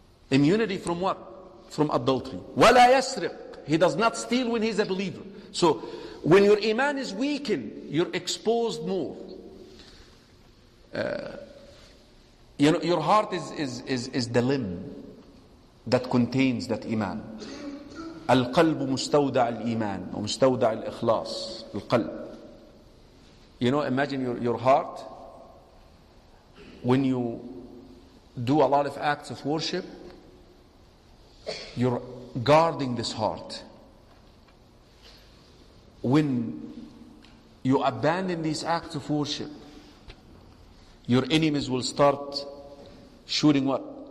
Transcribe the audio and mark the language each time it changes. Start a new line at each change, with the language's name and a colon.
English: Immunity from what? From adultery.
Arabic: ولا يسرق.
English: He does not steal when he's a believer. So when your iman is weakened, you're exposed more. You know, your heart is the limb that contains that iman.
Arabic: القلب مستودع الإيمان ومستودع الإخلاص.
English: القلب. You know, imagine your heart. When you do a lot of acts of worship, you're guarding this heart. When you abandon these acts of worship, your enemies will start shooting what?